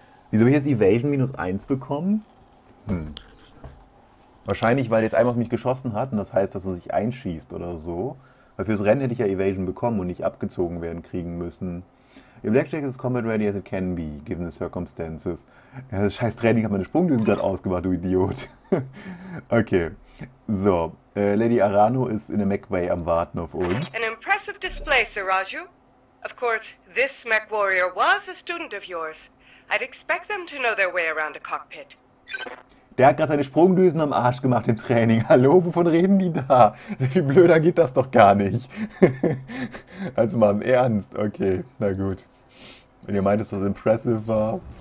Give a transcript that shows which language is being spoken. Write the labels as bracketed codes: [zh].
[de] Wieso habe ich jetzt Evasion minus 1 bekommen? Wahrscheinlich, weil jetzt einmal auf mich geschossen hat und das heißt, dass er sich einschießt oder so. Weil fürs Rennen hätte ich ja Evasion bekommen und nicht abgezogen werden kriegen müssen. [en] Your Blackjack is combat ready as it can be, given the circumstances. [de] Ja, das scheiß Training hat meine Sprungdüsen gerade ausgemacht, du Idiot. Okay. So. Lady Arano ist in der Mechway am Warten auf uns. [en] An impressive display, Sir Raju. Of course, this Mech Warrior was a student of yours. I'd expect them to know their way around a cockpit. [de] Der hat gerade seine Sprungdüsen am Arsch gemacht im Training. Hallo, wovon reden die da? Wie blöder geht das doch gar nicht. Also mal im Ernst. Okay, na gut. Wenn ihr meint, dass das impressive war.